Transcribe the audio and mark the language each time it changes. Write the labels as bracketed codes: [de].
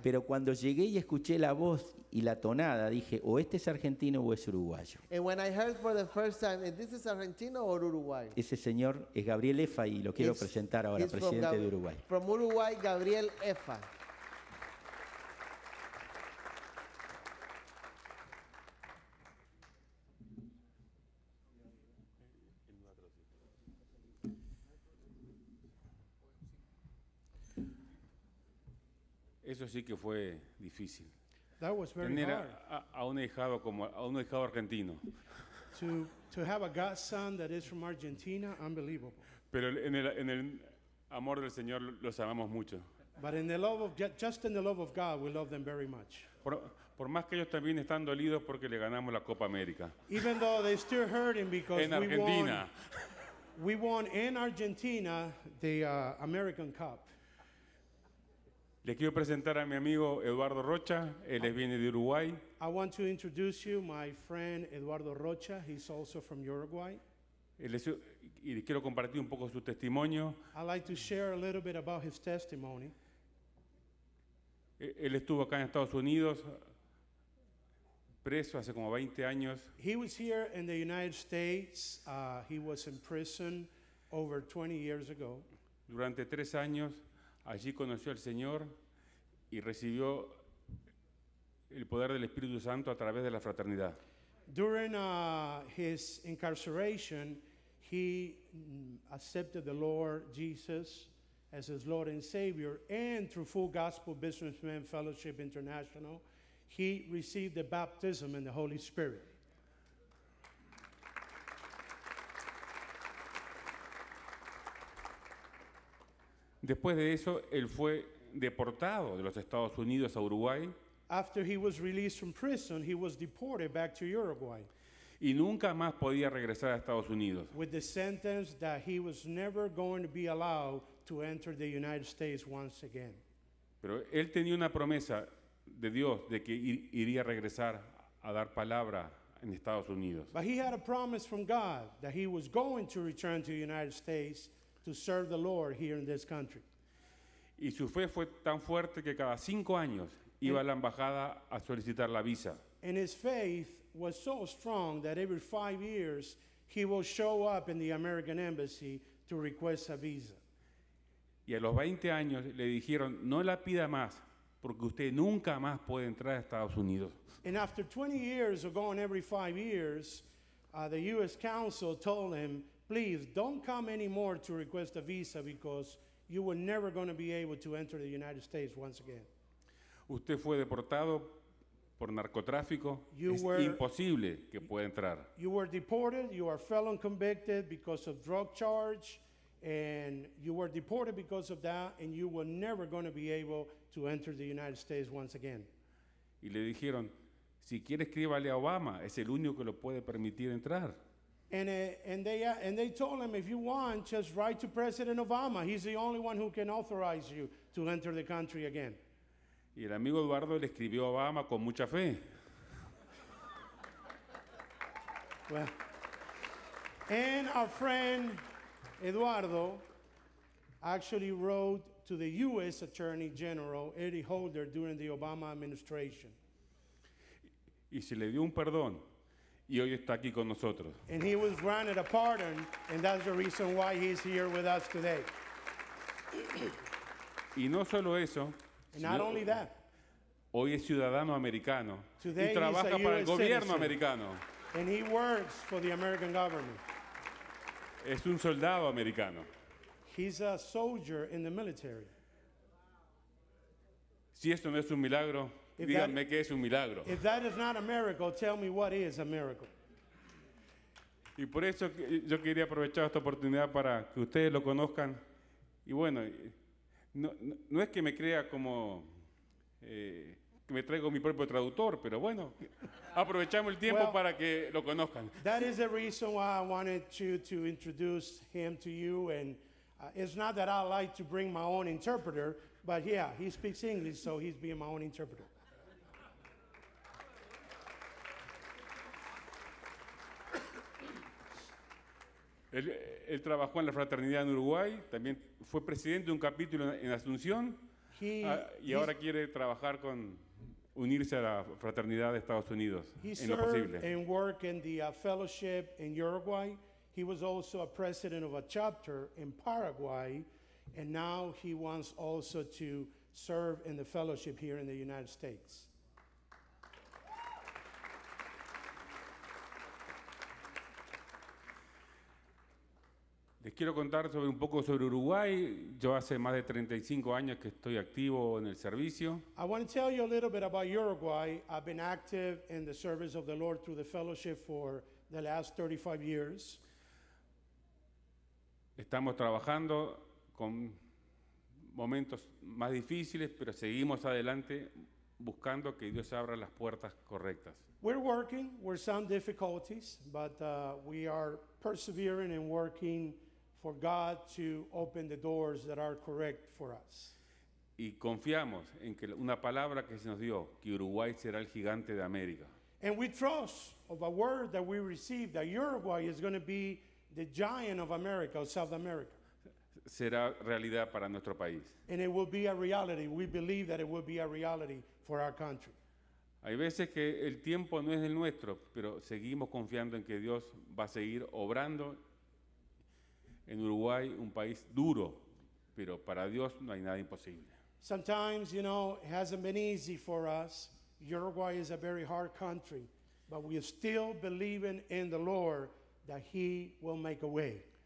[es] Pero cuando llegué y escuché la voz y la tonada, dije, o este es argentino o es uruguayo. [en] And when I heard for the first time, if this is Argentino or Uruguay. [es] Ese señor es Gabriel Efa y lo quiero presentar ahora, presidente de Uruguay. [en] From Uruguay, Gabriel Efa. [es] Eso sí que fue difícil. [en] That was very [es] tener [en] hard. [es] a un hijado argentino. [en] To have a godson that is from Argentina, unbelievable. [es] Pero en el amor del Señor los amamos mucho. [en] But in the love of just in the love of God, we love them very much. [es] Por más que ellos también están dolidos porque le ganamos la Copa América. [en] Even though they still hurting because [es] en Argentina. [en] We won in Argentina the American Cup. [es] Le quiero presentar a mi amigo Eduardo Rocha, él viene de Uruguay. [en] I want to introduce you my friend Eduardo Rocha, he's also from Uruguay. [es] Y le quiero compartir un poco su testimonio. [en] I'd like to share a little bit about his testimony. [es] Él estuvo acá en Estados Unidos preso hace como 20 años. [en] He was here in the United States, he was in prison over 20 years ago. [es] Durante 3 años. Allí conoció al Señor y recibió el poder del Espíritu Santo a través de la fraternidad. [en] During his incarceration, he accepted the Lord Jesus as his Lord and Savior, and through Full Gospel Businessmen Fellowship International, he received the baptism in the Holy Spirit. [es] Después de eso, él fue deportado de los Estados Unidos a Uruguay. [en] After he was released from prison, he was deported back to Uruguay. [es] Y nunca más podía regresar a Estados Unidos. [en] With the sentence that he was never going to be allowed to enter the United States once again. [es] Pero él tenía una promesa de Dios de que iría a regresar a dar palabra en Estados Unidos. [en] But he had a promise from God that he was going to return to the United States to serve the Lord here in this country. [es] Y su fe fue tan fuerte que cada 5 años iba a la embajada a solicitar la visa. [en] And his faith was so strong that every 5 years he will show up in the American embassy to request a visa. [es] Y a los 20 años le dijeron, no la pida más, porque usted nunca más puede entrar a Estados Unidos. [en] And after 20 years of going every 5 years, the U.S. Council told him, please don't come anymore to request a visa because you were never going to be able to enter the United States once again. [es] Usted fue deportado por narcotráfico. Es imposible que pueda entrar. [en] You were deported. You are felon convicted because of drug charge. And you were deported because of that. And you were never going to be able to enter the United States once again. [es] Y le dijeron, si quiere escríbale a Obama, es el único que lo puede permitir entrar. [en] And they told him, if you want, just write to President Obama. He's the only one who can authorize you to enter the country again. [es] Y el amigo Eduardo le escribió a Obama con mucha fe. [en] Well, and our friend Eduardo actually wrote to the U.S. Attorney General, Eddie Holder, during the Obama administration. [es] y se le dio un perdón y hoy está aquí con nosotros. [en] And he was granted a pardon, and that's the reason why he's here with us today. [es] Y no solo eso, [en] and not only that, [es] hoy es ciudadano americano y trabaja para el gobierno americano. [en] And he works for the American government. [es] Es un soldado americano. [en] He's a soldier in the military. [es] Si esto no es un milagro, díganme qué es un milagro. [en] If that is not a miracle, tell me what is a miracle. [es] Y por eso yo quería aprovechar esta oportunidad para que ustedes lo conozcan. Y bueno, no es que me crea como que me traigo mi propio traductor, pero bueno, aprovechamos el tiempo para que lo conozcan. [en] That is the reason why I wanted to introduce him to you. And it's not that I like to bring my own interpreter, but yeah, he speaks English, so he's being my own interpreter. [es] Él trabajó en la fraternidad en Uruguay, también fue presidente de un capítulo en Asunción, y ahora quiere trabajar con unirse a la fraternidad de Estados Unidos en lo posible. [en] He served and worked in the fellowship in Uruguay. He was also a president of a chapter in Paraguay, and now he wants also to serve in the fellowship here in the United States. [es] Les quiero contar sobre un poco sobre Uruguay. Yo hace más de 35 años que estoy activo en el servicio. [en] I want to tell you a little bit about Uruguay. I've been active in the service of the Lord through the fellowship for the last 35 years. [es] Estamos trabajando con momentos más difíciles, pero seguimos adelante buscando que Dios abra las puertas correctas. [en] We're working with some difficulties, but we are persevering and working for God to open the doors that are correct for us. [es] Y confiamos en que una palabra que se nos dio, que Uruguay será el gigante de América. [en] And we trust of a word that we received that Uruguay is going to be the giant of America, of South America. [es] Será realidad para nuestro país. [en] And it will be a reality. We believe that it will be a reality for our country. [es] Hay veces que el tiempo no es el nuestro, pero seguimos confiando en que Dios va a seguir obrando en Uruguay, un país duro, pero para Dios no hay nada imposible. [en] Sometimes, you know, it hasn't been easy for us. Uruguay is a very hard country, but we are still believing in the Lord that he will make a way.